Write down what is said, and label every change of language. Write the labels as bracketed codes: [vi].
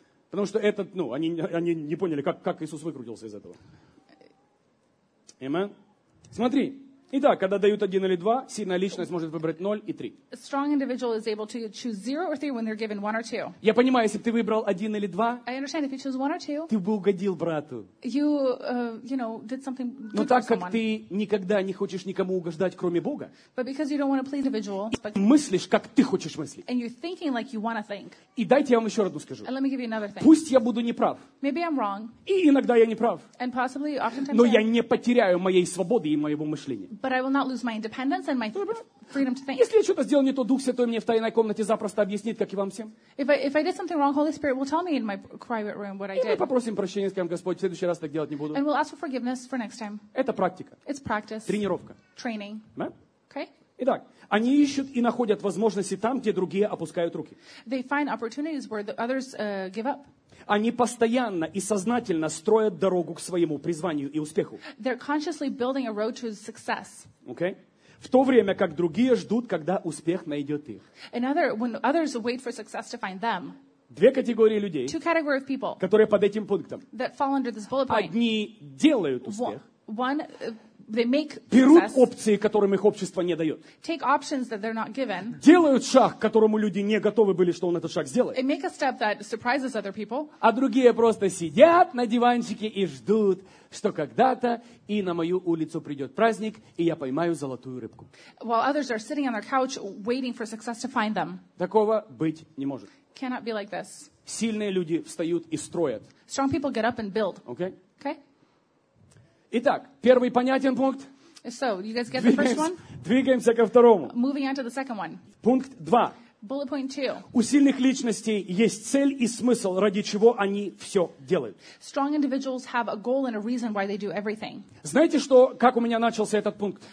[ru] Потому что этот, ну, они не поняли, как Иисус выкрутился из этого. Amen. Смотри. Итак, когда дают один или два, сильная личность может выбрать ноль и три. [en] A strong individual is able to choose zero or three when they're given one or two. [ru] Я понимаю, если бы ты выбрал один или два, [en] I understand if you choose one or two, [ru] ты бы угодил брату. [en] You, you know, did something good for someone. [ru] Но так как ты никогда не хочешь никому угождать, кроме Бога, [en] but because you don't want to please individuals, but [ru] мыслишь, как ты хочешь мыслить, [en] and you're thinking like you want to think. [ru] И дайте я вам еще одну скажу. [en] And let me give you another thing. [ru] Пусть я буду неправ. [en] Maybe I'm wrong. [ru] И иногда я неправ. [en] And possibly, oftentimes. [ru] Но я не потеряю моей свободы и моего мышления. [en] But I will not lose my independence and my freedom to think. [ru] Если я что-то сделал не то, Дух Святой мне в тайной комнате запросто объяснит, как и вам всем. [en] If I did something wrong, Holy Spirit will tell me in my private room what I did. [ru] И мы попросим прощения, скажем, Господь, в следующий раз так делать не буду. [en] And we'll ask for forgiveness for next time. [ru] Это практика. [en] It's practice. [ru] Тренировка. [en] Training. [ru] Да? [en] Okay. [ru] Итак, они ищут и находят возможности там, где другие опускают руки. [en] They find opportunities where the others give up. [ru] Они постоянно и сознательно строят дорогу к своему призванию и успеху. [en] They're consciously building a road to success. Okay. [ru] в то время как другие ждут, когда успех найдет их. [en] When others wait for success to find them. [ru] Две категории людей, [en] two categories of people, [ru] которые под этим пунктом. [en] That fall under this bullet point. [ru] Одни делают успех. [en] One, they make success, [ru] берут опции, которым их общество не дает. [en] Take options that they're not given, [ru] делают шаг, к которому люди не готовы были, что он этот шаг сделает. [en] And make a step that surprises other people. [ru] А другие просто сидят на диванчике и ждут, что когда-то и на мою улицу придет праздник, и я поймаю золотую рыбку. [en] While others are sitting on their couch waiting for success to find them. [ru] Такого быть не может. [en] Cannot be like this. [ru] Сильные люди встают и строят. [en] Strong people get up and build. Okay? Okay? [ru] Итак, первый понятен пункт. [en] So, you guys get the first one? [ru] Двигаемся ко второму. [en] Moving on to the second one. [ru] Пункт 2. [en] Bullet point 2. [ru] У сильных личностей есть цель и смысл, ради чего они все делают. [en] Strong individuals have a goal and a reason why they do everything. [ru] Знаете, что, как у меня начался этот пункт?